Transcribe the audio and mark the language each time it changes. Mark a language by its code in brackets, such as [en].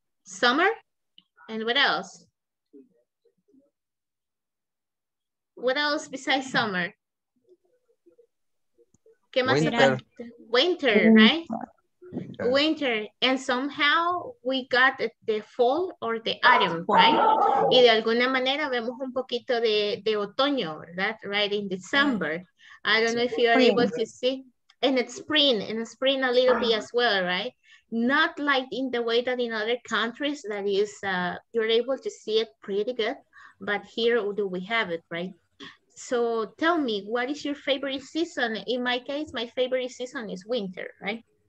[en] Summer? And what else? What else besides summer? [es] ¿Qué más? [en] Winter, right? Okay. Winter. And somehow we got the fall or the autumn, right? [es] Y de alguna manera vemos un poquito de otoño, ¿verdad? [en] Right in December. I don't know if you are able to see. And it's spring, in the spring a little bit as well, right? Not like in the way that in other countries that is, you're able to see it pretty good, but here do we have it, right? So tell me, what is your favorite season? In my case, my favorite season is winter, right?